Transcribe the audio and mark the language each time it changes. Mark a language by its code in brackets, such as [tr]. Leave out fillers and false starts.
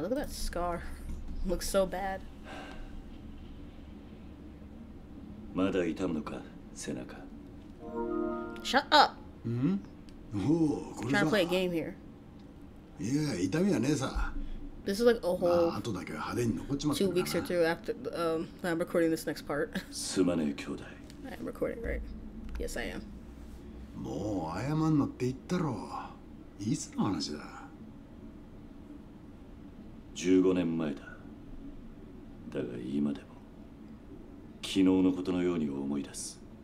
[en] Oh, look at that scar. Looks so bad. [ja] まだ痛むのか、背中。 [en] Shut up! [ja] ん？おお、これ [en] さ。Trying to play a game here. [ja] いや、痛みはねえさ。 [en] This is like a whole、 [ja] まあ、後だけは派手に残っちまったかな。 [en] 2 weeks or two after、I'm recording this next part. [ja] すまねえ、兄弟。 [en] I am recording, right? Yes, I am. [ja] もう謝んのって言ったろ。いつの話だ。 15年前だ。だが今でも昨日のことのように思い出す。